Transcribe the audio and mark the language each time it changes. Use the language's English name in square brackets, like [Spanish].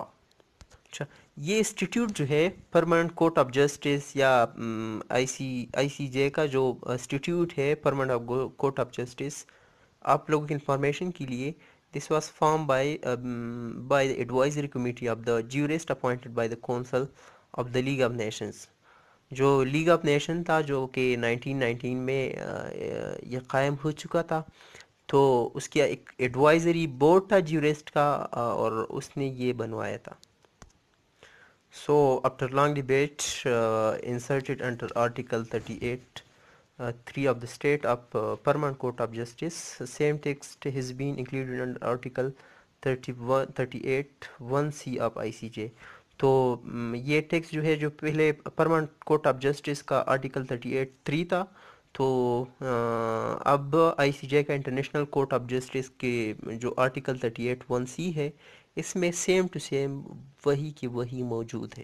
[Hindi] अच्छा, ये इंस्टीट्यूट जो है परमानेंट कोर्ट ऑफ जस्टिस या ICJ का जो इंस्टीट्यूट है, परमानेंट कोर्ट ऑफ जस्टिस, आप लोगों की इंफॉर्मेशन के लिए, [English] This was form by the advisory committee of the jurist appointed by the council of the League of Nations. [Hindi] जो लीग ऑफ नेशन था जो कि 1919 में ये कायम हो चुका था, तो उसकी एक एडवाइजरी बोर्ड था ज्यूरिस्ट का, और उसने ये बनवाया था. [English] So, after long debate, inserted under Article 38, 3 of the state of Permanent Court of Justice, same text has been included under Article 31, 38, 1C of ICJ. [Hindi] तो ये टेक्स्ट जो है जो पहले परमानेंट कोर्ट ऑफ जस्टिस का आर्टिकल 38(3) था, तो अब आईसीजे का इंटरनेशनल कोर्ट ऑफ जस्टिस के जो आर्टिकल 38(1)C है, इसमें सेम टू सेम वही के वही मौजूद है।